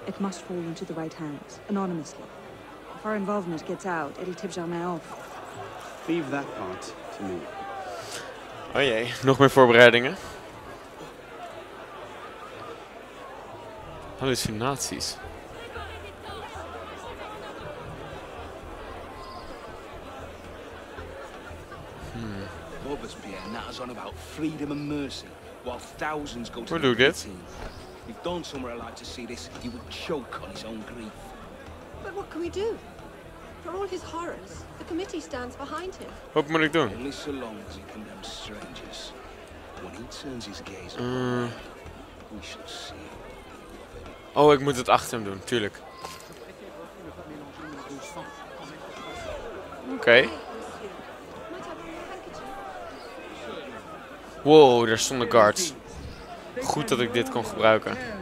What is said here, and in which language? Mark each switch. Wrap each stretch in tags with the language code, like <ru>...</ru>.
<en>It must fall into the right hands, anonymously. If our involvement gets out, it'll tip Germain off. Leave that part to me.</en> <nl>Oh jee, nog meer voorbereidingen. Hallucinaties.</nl> <en>Robespierre natters on about freedom and mercy, while thousands go to the guillotine. If Dansomer allowed to see this, he would choke on his own grief. But what can we do? For all his horrors, the committee stands behind him. What can I do? Only so long as he condemns strangers. When he turns his gaze on, we shall see.</en> <nl>Oh, ik moet het achter hem doen, tuurlijk. Oké. Wow, daar stonden guards. Goed dat ik dit kon gebruiken.</nl>